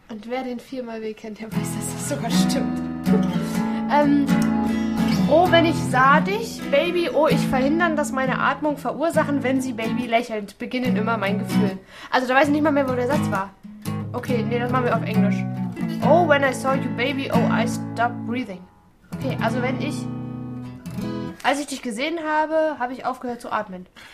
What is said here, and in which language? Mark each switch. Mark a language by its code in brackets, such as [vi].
[de] Und wer den 4xB kennt, der weiß, dass das sogar stimmt. Oh, wenn ich sah dich, Baby, oh, ich verhindern, dass meine Atmung verursachen, wenn sie, Baby, lächelt, beginnen immer mein Gefühl. Also da weiß ich nicht mal mehr, wo der Satz war. Okay, nee, das machen wir auf Englisch. [en] Oh, when I saw you, Baby, oh, I stopped breathing. [de] Okay, also wenn ich... Als ich dich gesehen habe, habe ich aufgehört zu atmen.